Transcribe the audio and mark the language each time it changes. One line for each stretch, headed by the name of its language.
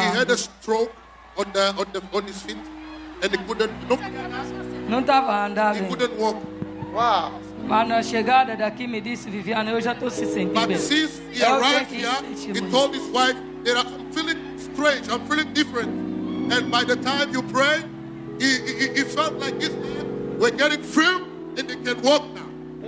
English: He had a stroke on his feet and he couldn't
Portuguese: não estava andando.
English: He couldn't walk. Wow.
Portuguese: Mas na chegada daqui me disse Viviana, eu já estou se sentindo bem.
English: But since he arrived here, he told his wife that I'm feeling strange, I'm feeling different. And by the time you pray, he felt like this. We're getting through and they can walk now.